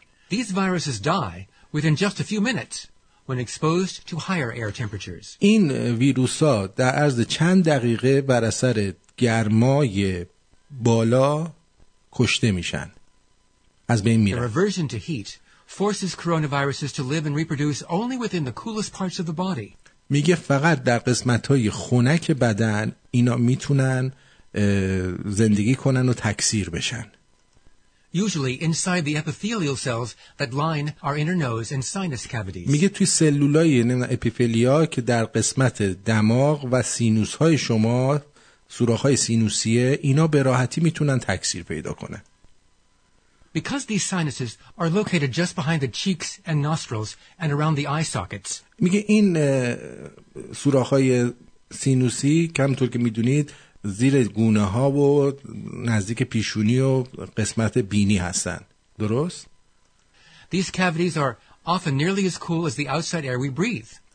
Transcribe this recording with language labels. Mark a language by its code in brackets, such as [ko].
[en] These viruses die within just a few minutes when exposed to higher air temperatures. [fa] این ویروس ها در عرض چند دقیقه بر اثر گرمای بالا کشته میشن، از بین میرن. [en] The reversion to heat forces coronaviruses to live and reproduce only within the coolest parts of the body. [fa] میگه فقط در قسمت‌های خنک بدن اینا میتونن زندگی کنن و تکثیر بشن. [en] Usually inside the epithelial cells that line our inner nose and sinus cavities. [fa] میگه توی سلولای اپیفیلیا که در قسمت دماغ و سینوس‌های شما سوراخ‌های سینوسیه، اینا به راحتی میتونن تکثیر پیدا کنن. [en] Because these sinuses are located just behind the cheeks and nostrils and around the eye sockets. [fa] میگه این سوراخ‌های سینوسی کمطور که میدونید زیر گونه ها و نزدیک پیشونی و قسمت بینی هستن. درست؟ [en] These cavities are often nearly as cool as the outside air we breathe.